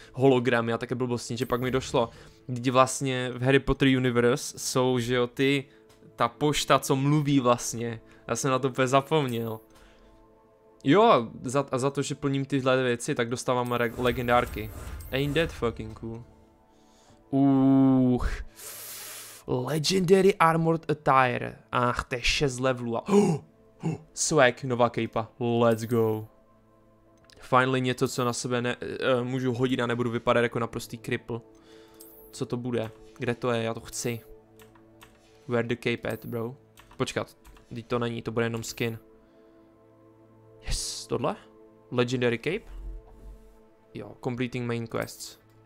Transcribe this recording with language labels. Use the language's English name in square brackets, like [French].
[Czech] Hologramy a také blbosti, že pak mi došlo, když vlastně v Harry Potter Universe jsou, že jo, ty, ta pošta, co mluví vlastně, já jsem na to úplně zapomněl. Jo, za to, že plním tyhle věci, tak dostávám legendárky. [English] Ain't that fucking cool. Uuuuch. Legendary Armored Attire. [Czech] Ach, to je 6 levelů a... Swag, nová kejpa. [English] Let's go. Finally [Czech] něco, co na sebe můžu hodit a nebudu vypadat jako naprostý cripple. Co to bude? Kde to je? Já to chci. [English] Where the cape at, bro? [Czech] Počkat, teď to není, to bude jenom skin. [English] Yes, tohle? Legendary cape? Jo, completing main quests.